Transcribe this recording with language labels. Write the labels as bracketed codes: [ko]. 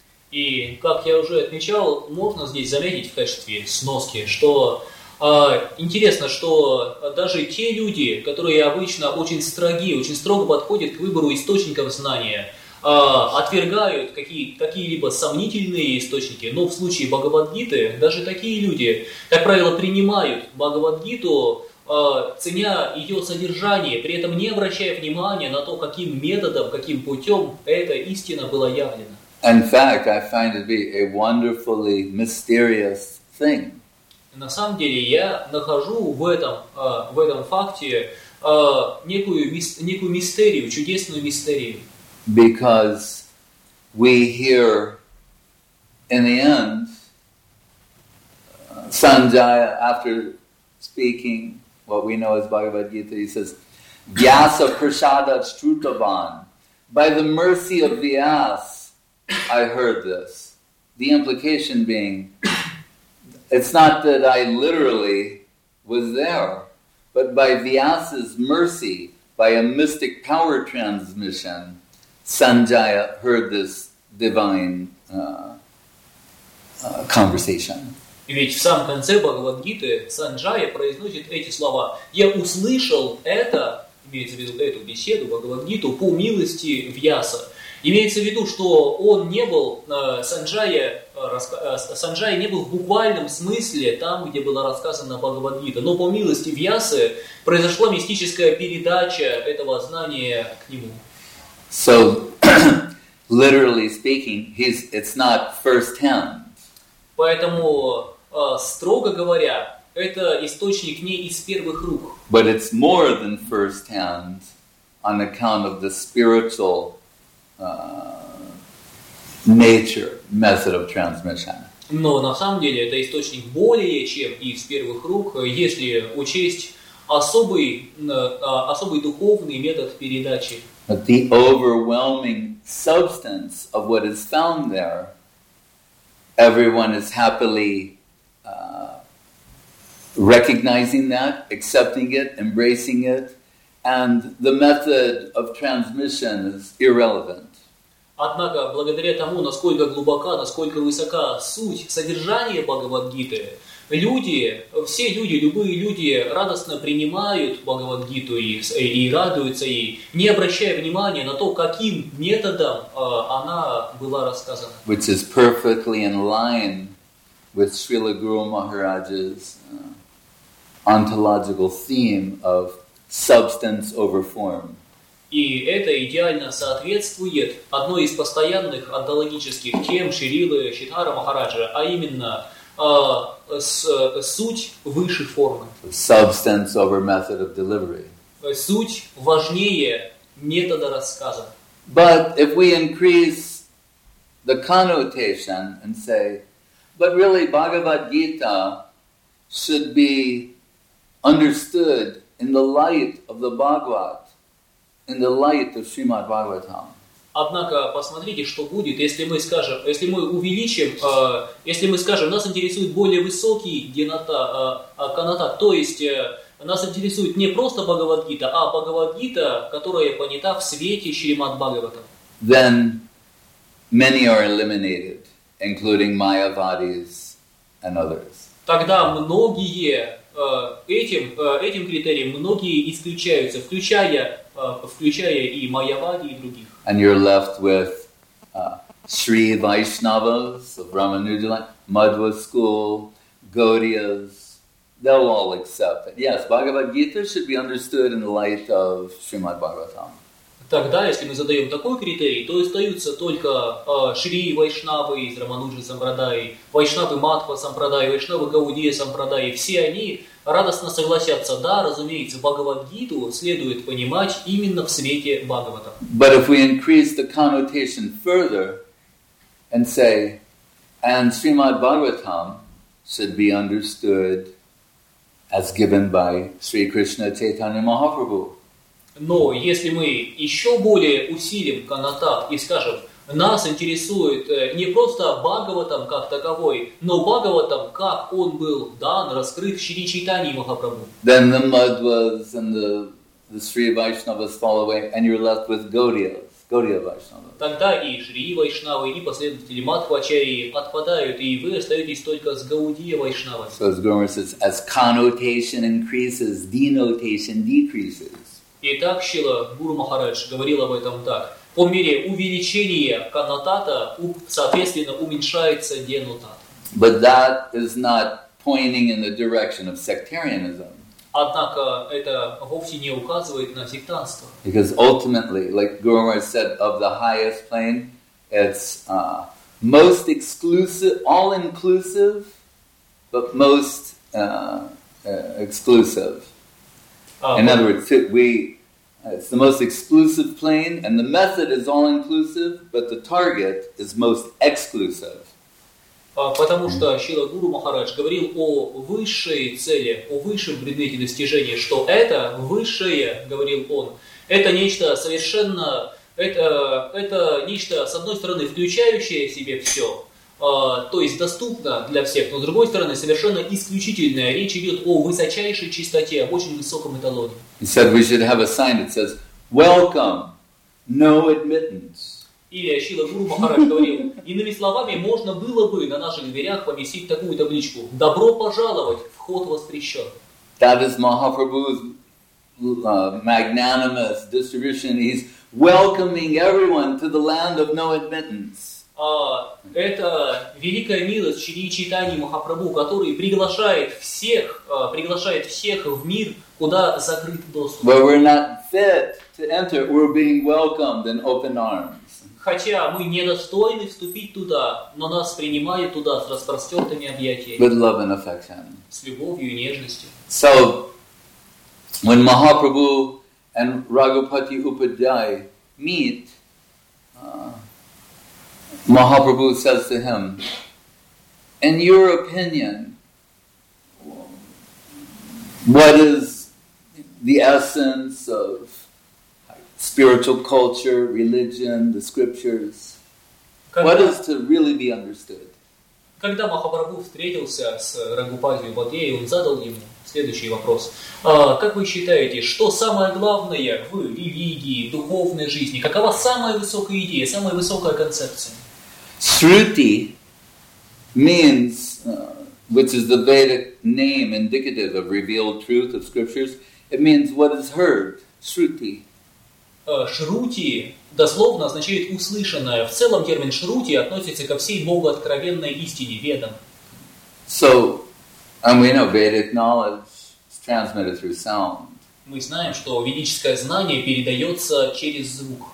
[ru] И, как я уже отмечал, можно здесь заметить в качестве сноски, что интересно, что даже те люди, которые обычно очень строги, очень строго подходят к выбору источников знания, отвергают какие-либо сомнительные источники, но в случае Бхагавад-гиты, даже такие люди, как правило, принимают Бхагавад-гиту, ценя ее содержание, при этом не обращая внимания на то, каким методом, каким путем эта истина была явлена. [en] In fact, I find it to be a wonderfully mysterious thing. [ru] На самом деле я нахожу в этом факте некую мистерию, чудесную мистерию. [en] Because we hear in the end Sanjaya after speaking what we know as Bhagavad Gita, he says, [sa] Vyasa Prashada Shrutavan, [en] by the mercy of Vyas, I heard this. the implication being, it's not that I literally was there, but by Vyasa's mercy, by a mystic power transmission, Sanjaya heard this divine conversation. [ru] Ведь в самом конце Бхагавад-гиты Санджая произносит эти слова. Я услышал это, имеется в виду эту беседу, Бхагавад-гиту, по милости Вьяса. Имеется в виду, что он не был, Санджая не был в буквальном смысле там, где была рассказана Бхагавад-гита. Но по милости Вьясы произошла мистическая передача этого знания к нему. [en] So, literally speaking, it's not first-hand. [ru] Поэтому, строго говоря, это источник не из первых рук. [en] But it's more than first-hand on account of the spiritual nature, method of transmission. [ru] Но на самом деле это источник более чем из первых рук, если учесть особый духовный метод передачи. [en] But the overwhelming substance of what is found there, everyone is happily recognizing that, accepting it, embracing it, and the method of transmission is irrelevant. [ru] Однако, благодаря тому, насколько глубока, насколько высока суть содержания Бхагавад-гиты, любые люди радостно принимают Бхагавад-гиту и радуются ей, не обращая внимания на то, каким методом она была рассказана. [en] Which is perfectly in line with Srila Guru Maharaj's ontological theme of substance over form. [ru] И это идеально соответствует одной из постоянных онтологических тем Шрилы Шридхара Махараджа, а именно суть выше формы. [en] Substance over method of delivery. [ru] Суть важнее метода рассказа. [en] But if we increase the connotation and say, but really Bhagavad-gita should be understood in the light of the Bhagavat, in the light of Srimad Bhagavatam. [ru] Однако посмотрите, что будет, если мы скажем, если мы увеличим, если мы скажем, нас интересует более высокий каната, то есть нас интересует не просто Бхагавад-гита, а Бхагавад-гита, которая понята в свете Шримад Бхагаватам. [en] Then many are eliminated, including Mayavadis and others. [ru] Тогда многие этим критерием многие исключаются, включая и Майявади, и других. [en] And you're left with Sri Vaishnavas of Ramanujan, Madhva school, Gaudiyas. They'll all accept it. Yes, Bhagavad Gita should be understood in the light of Srimad Bhagavatam. [ru] Тогда, если мы задаем такой критерий, то остаются только Шри Вайшнавы из Рамануджа Сампрадаи, Вайшнавы Мадхва Сампрадаи, Вайшнавы Гаудия Сампрадаи. Все они радостно согласятся. Да, разумеется, Бхагавад-гиту следует понимать именно в свете Бхагавата. [en] But if we increase the connotation further and say, and Srimad Bhagavatam should be understood as given by Sri Krishna Chaitanya Mahaprabhu. [ru] Но если мы еще более усилим канатат и скажем, нас интересует не просто Бхагаватам как таковой, но Бхагаватам, как он был дан, раскрыт в Шри Чайтаньи Махапрабху. [en] Then the Madhvas and the Sri Vaishnavas fall away, and you're left with Gaudiyas, Gaudiya Vaishnavas. [ru] Тогда и Шри Вайшнавы, и последователи Мадхвачари отпадают, и вы остаетесь только с Гаудия Вайшнавой. [en] So as Guru says, as connotation increases, denotation decreases. [ru] Итак, Шрила Гуру Махарадж говорил об этом так. По мере увеличения коннотата, соответственно, уменьшается денотат. [en] But that is not pointing in the direction of sectarianism. [ru] Однако это вовсе не указывает на сектантство. [en] Because ultimately, like Guru Maharaj said, of the highest plane, it's most exclusive, all-inclusive, but most exclusive. In other words, it's the most exclusive plane, and the method is all-inclusive, but the target is most exclusive. [ru] Потому что Шрила Гуру Махарадж говорил о высшей цели, о высшем предмете достижения, что это высшее, говорил он, это нечто совершенно, это нечто, с одной стороны, включающее в себе все, то есть доступна для всех, но с другой стороны совершенно исключительная. Речь идет о высочайшей чистоте, об очень высоком эталоне. [en] He said we should have a sign that says welcome, no admittance. [ru] Или Ашила Гуру Махарадж говорил, иными словами, можно было бы на наших дверях повесить такую табличку: добро пожаловать, вход воспрещен. [en] That is Mahaprabhu's magnanimous distribution. He's welcoming everyone to the land of no admittance. [ru] Это великая милость Шри Чайтаньи Махапрабху, который приглашает всех в мир, куда закрыт доступ. [en] Where we're not fit to enter, we're being welcomed in open arms. [ru] Хотя мы недостойны вступить туда, но нас принимают туда с распростертыми объятиями. [en] With love and affection. [ru] С любовью и нежностью. [en] So, when Mahaprabhu and Raghupati Upadhyay meet, Mahaprabhu says to him, in your opinion, what is the essence of spiritual culture, religion, the scriptures? What is to really be understood? [ru] Когда Махапрабху встретился с Рагхупати Упадхьяем, он задал ему следующий вопрос. Как вы считаете, что самое главное в религии, в духовной жизни? Какова самая высокая идея, самая высокая концепция? [en] Shruti means, which is the Vedic name indicative of revealed truth of scriptures, it means what is heard, Shruti. [ru] Shruti дословно означает услышанное. В целом термин Shruti относится ко всей богооткровенной истине, Ведам. [en] So, and we know Vedic knowledge is transmitted through sound. [ru] Мы знаем, что ведическое знание передается через звук.